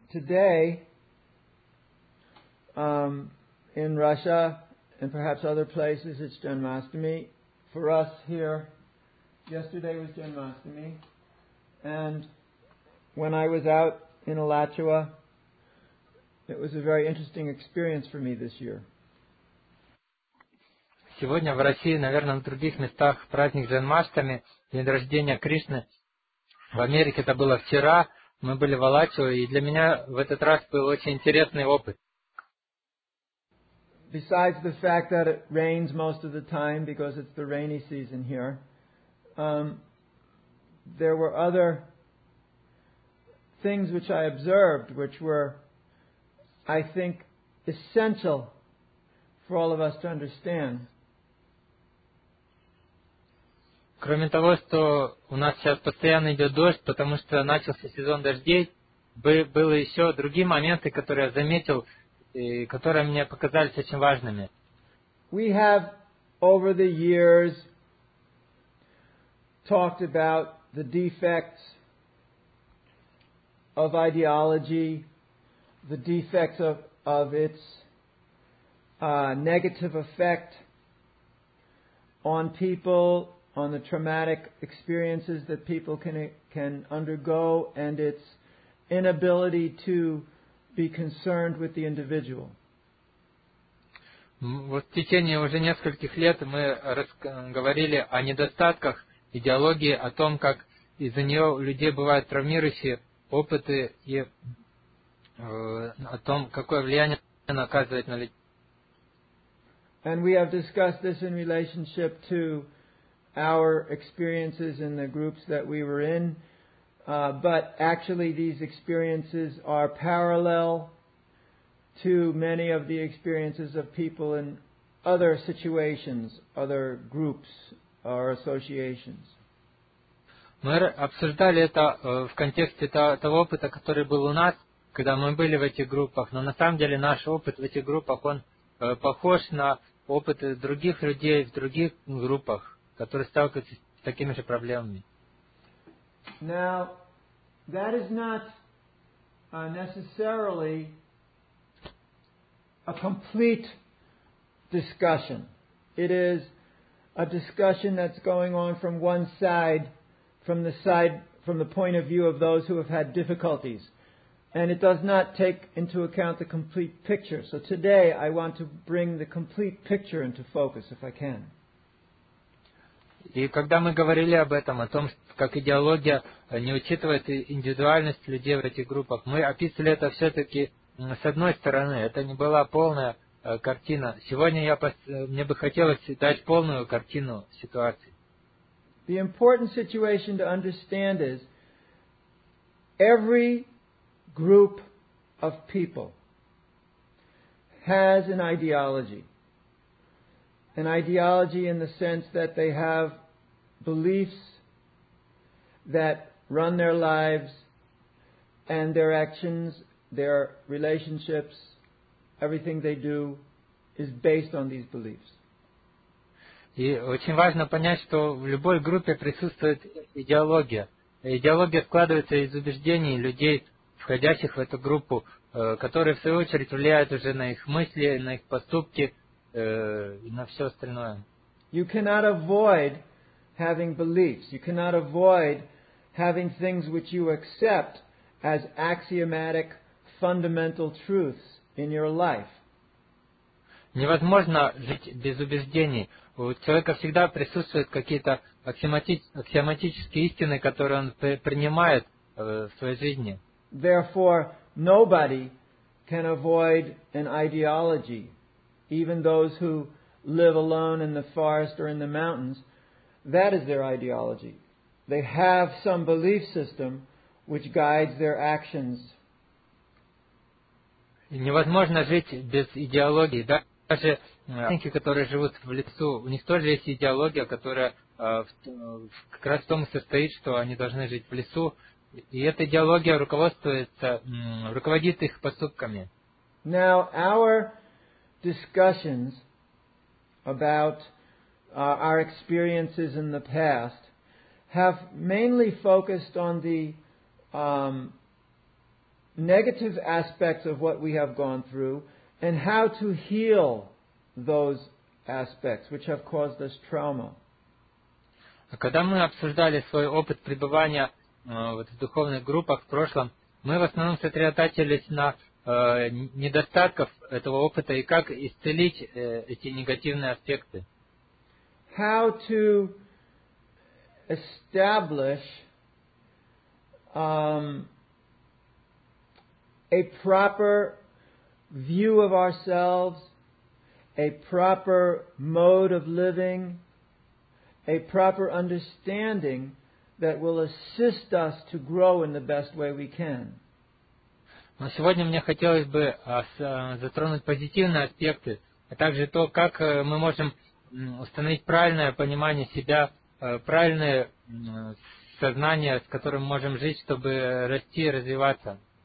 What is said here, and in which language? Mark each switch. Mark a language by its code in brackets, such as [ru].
[en] today in Russia and perhaps other places, it's Janmashtami. For us here, yesterday was Janmashtami. And when I was out in Alachua, it was a very interesting experience for me this year. [ru] Сегодня в России, наверное, на других местах праздник Джанмаштами, день рождения Кришны. В Америке это было вчера, мы были в Алачуа, и для меня в этот раз был очень интересный опыт. [en] Besides the fact that it rains most of the time because it's the rainy season here, there were other things which I observed, which were, I think, essential for all of us to understand. [ru] Кроме того, что у нас сейчас постоянно идет дождь, потому что начался сезон дождей, были еще другие моменты, которые я заметил, и которые мне показались очень важными. [en] We have over the years talked about the defects of ideology, the defects of its negative effect on people, on the traumatic experiences that people can undergo, and its inability to be concerned with the individual. [ru] Вот в течение уже нескольких лет мы говорили о недостатках идеологии, о том, как из-за нее у людей бывают травмирующие опыты, и о том, какое влияние она оказывает на людей. [en] And we have discussed this in relationship to our experiences in the groups that we were in, but actually these experiences are parallel to many of the experiences of people in other situations, other groups or associations. [ru] Мы обсуждали это в контексте того опыта, который был у нас, когда мы были в этих группах, но на самом деле наш опыт в этих группах, он похож на опыт других людей в других группах, которые сталкиваются с такими же проблемами. [en] Now, that is not necessarily a complete discussion. It is a discussion that's going on from one side, from the point of view of those who have had difficulties. And it does not take into account the complete picture. So today I want to bring the complete picture into focus, if I can. [ru] И когда мы говорили об этом, о том, как идеология не учитывает индивидуальность людей в этих группах, мы описывали это все-таки с одной стороны. Это не была полная картина. Сегодня мне бы хотелось дать полную картину ситуации. [en] The important situation to understand is every group of people has an ideology. An ideology in the sense that they have beliefs that run their lives and their actions, their relationships, everything they do is based on these beliefs. [ru] И очень важно понять, что в любой группе присутствует идеология. Идеология складывается из убеждений людей, входящих в эту группу, которые в свою очередь влияют уже на их мысли, на их поступки, и на все остальное. [en] You cannot avoid having beliefs. You cannot avoid having things which you accept as axiomatic, fundamental truths in your life. [ru] Невозможно жить без убеждений. У человека всегда присутствуют какие-то аксиоматические истины, которые он принимает в своей жизни. [en] Therefore, nobody can avoid an ideology. Even those who live alone in the forest or in the mountains, that is their ideology. They have some belief system which guides their actions. [ru] Невозможно жить без идеологии. Даже те, которые живут в лесу, у них тоже есть идеология, которая как раз в том и состоит, что они должны жить в лесу. И эта идеология руководит их поступками. [en] Now, our discussions about our experiences in the past have mainly focused on the negative aspects of what we have gone through and how to heal those aspects which have caused us trauma. [ru] Когда мы обсуждали свой опыт пребывания вот, в духовных группах в прошлом, мы в основном сосредотачивались на недостатках этого опыта и как исцелить эти негативные аспекты. [en] How to establish a proper view of ourselves, a proper mode of living, a proper understanding that will assist us to grow in the best way we can. [ru] Но сегодня мне хотелось бы затронуть позитивные аспекты, а также то, как мы можем установить правильное понимание себя, правильное сознание, с которым мы можем жить, чтобы расти и развиваться.